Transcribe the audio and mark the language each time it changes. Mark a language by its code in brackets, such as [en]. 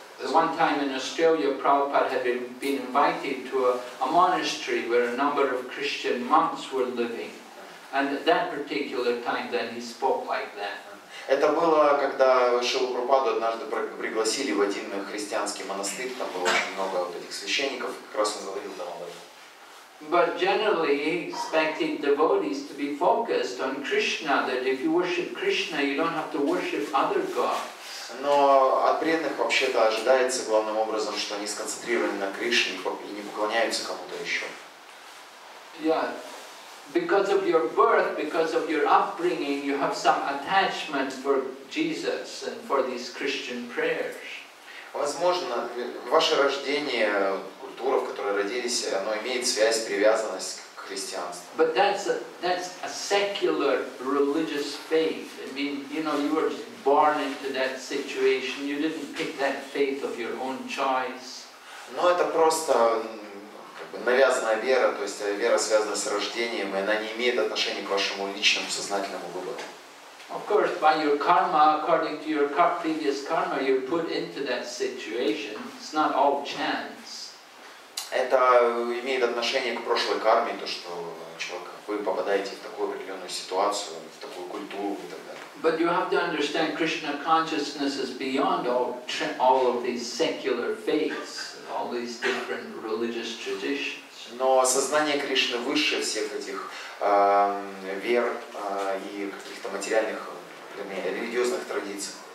[en] One time in Australia, Prabhupada had been invited to a monastery where a number of Christian monks were living. And at that particular time, then he spoke like that. [ru] Это было, когда Шрилу Прабхупаду однажды пригласили в один христианский монастырь, там было очень много вот этих священников, как раз он говорил там об этом. [en] But generally, he expected devotees to be focused on Krishna, that if you worship Krishna, you don't have to worship other gods. [ru] Но от преданных вообще-то ожидается главным образом, что они сконцентрированы на Кришне и не поклоняются кому-то еще. [en] Yeah, because of your birth, because of your upbringing, you have some attachment for Jesus and for these Christian prayers. [ru] Возможно, ваше рождение, культура, в которой родились, оно имеет связь, привязанность к христианству. [en] But that's a secular religious faith. I mean, you know, you were born into that situation. You didn't pick that faith of your own choice. [ru] Но это просто как бы навязанная вера, то есть вера, связанная с рождением, и она не имеет отношения к вашему личному сознательному выбору. [en] Of course, by your karma, according to your previous karma, you're put into that situation. It's not all chance. [ru] Это имеет отношение к прошлой карме, то что человек, вы попадаете в такую определенную ситуацию, в такую культуру и так далее. [en] But you have to understand Krishna consciousness is beyond all of these secular faiths, all these different religious traditions. [ru] Но сознание Кришны выше всех этих вер и каких-то материальных, вернее, религиозных традиций.